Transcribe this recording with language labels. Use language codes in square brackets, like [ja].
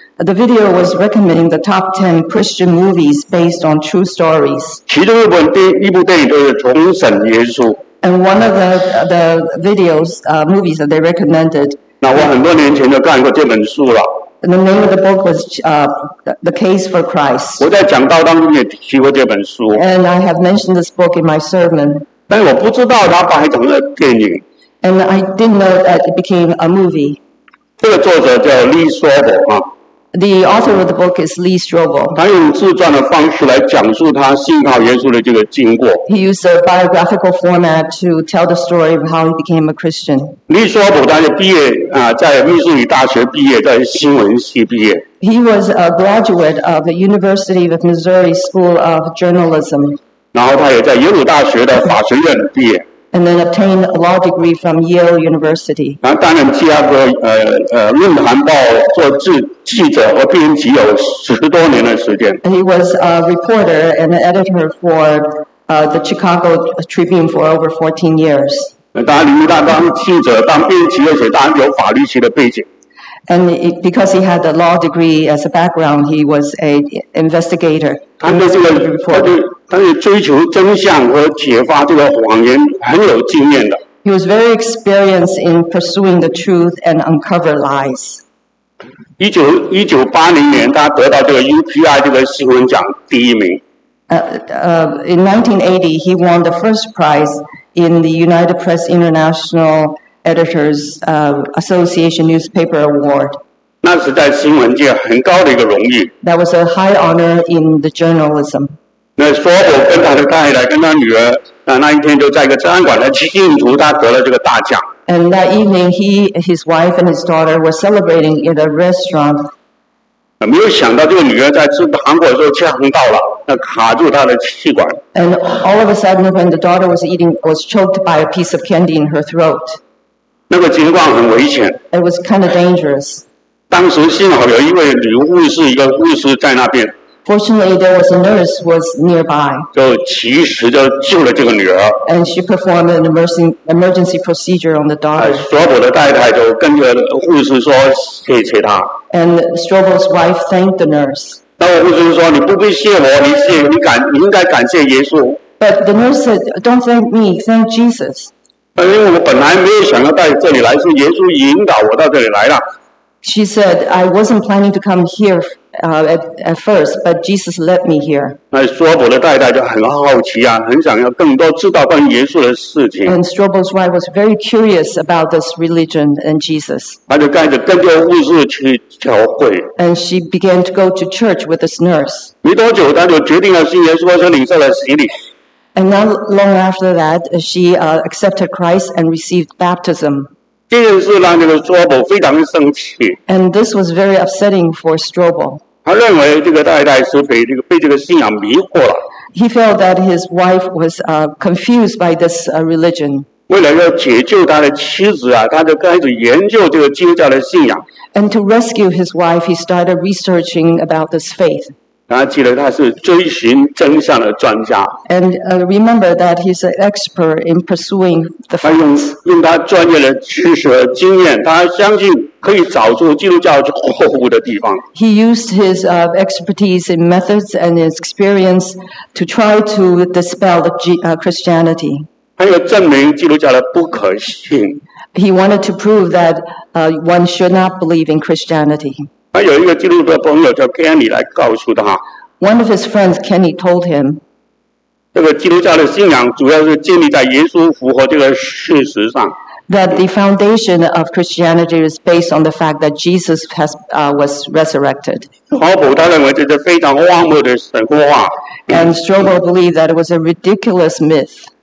[en] The video was recommending the top 10 Christian movies based on true stories. [zh] 其中一部电影就是重审耶稣。 [en] And one of the videos, movies that they recommended. [zh] 那我很多年前就看过这本书了。 [en] And the name of the book was The Case for Christ. [zh] 我在讲道当中也提过这本书。 [en] And I have mentioned this book in my sermon. [zh] 但我不知道它拍成了电影。 [en] And I didn't know that it became a movie. [zh] 这个作者叫 Lee Strobel 啊。 [en] The author of the book is Lee Strobel. [zh] 他用自传的方式来讲述他信靠耶稣的这个经过。 [en] He used a biographical format to tell the story of how he became a Christian. [zh] Lee Strobel 他是毕业在密苏里大学毕业，在新闻系毕业。 [en] He was a graduate of the University of Missouri School of Journalism. [zh] 然后他也在耶鲁大学的法学院毕业。 [en] And then obtained a law degree from Yale University. [zh] 然后担任芝加哥论坛报做记者和编辑有十多年的时间。 [en] And he was a reporter and an editor for the Chicago Tribune for over 14 years. [zh] 当然，他当记者、当编辑，而且当然有法律系的背景。 [en] And because he had a law degree as a background, he was an investigator. [zh] 他对追求真相和揭发这个谎言很有经验的。 [en] He was very experienced in pursuing the truth and uncover lies. [zh] 1980年，他得到这个 UPI 这个新闻奖第一名。 [en] In 1980, he won the first prize in the United Press International Editors Association Newspaper Award. [zh] 那是在新闻界很高的一个荣誉。 [en] That was a high honor in the journalism. [zh] 那说我跟他的太太跟他女儿那一天就在一个餐馆来庆祝他得了这个大奖。 [en] And that evening, he, his wife and his daughter were celebrating in a restaurant. [zh] 没有想到这个女儿在吃糖果的时候呛到了，那卡住她的气管。 [en] And all of a sudden, when the daughter was eating, was choked by a piece of candy in her throat. [zh] 那个情况很危险。 [en] It was kind of dangerous. [zh] 当时幸好有一位女护士，一个护士在那边。 [en] Fortunately, there was a nurse was nearby. [zh] 就及时就救了这个女儿。 [en] And she performed an emergency procedure on the daughter. [zh] 索伯的太太就跟着护士说谢谢她。 [en] And Strobel's wife thanked the nurse. [zh] 那个护士说你不必谢我，你应该感谢耶稣。 [en] But the nurse said, "Don't thank me, thank Jesus." [zh] 因为我本来没有想要到这里来，是耶稣引导我到这里来的。 [en] She said, "I wasn't planning to come here at first, but Jesus led me here." [zh] 那Strobel的太太就很好奇啊，很想要更多知道关于耶稣的事情。 [en] And Strobel's wife was very curious about this religion and Jesus. [zh] 她就开始跟着护士去教会。 [en] And she began to go to church with this nurse. [zh] 没多久，她就决定要信耶稣，而且领受了洗礼。 [en] And not long after that, she accepted Christ and received baptism. [zh] 这件事让这个 Strobel 非常生气。 [en] And this was very upsetting for Strobel. [zh] 他认为这个太太是被这个信仰迷惑了。 [en] He felt that his wife was confused by this religion. [zh] 为了要解救他的妻子啊，他就开始研究这个基督教的信仰。 [en] And to rescue his wife, he started researching about this faith. [zh] 他记得他是追寻真相的专家。 [en] And remember that he's an expert in pursuing the facts. [zh] 用他专业的知识和经验，他相信可以找出基督教错误的地方。 [en] He used his expertise in methods and his experience to try to dispel the Christianity. [zh] 还有证明基督教的不可信。 [en] He wanted to prove that one should not believe in Christianity. [zh] 他有一个基督徒的朋友叫 Kenny 来告诉他。 [en] One of his friends, Kenny, told him. [zh] 这个基督教的信仰主要是建立在耶稣复活这个事实上。 [en] that the foundation of Christianity is based on the fact that Jesus has, was resurrected. And Strobel believed that it was a ridiculous myth.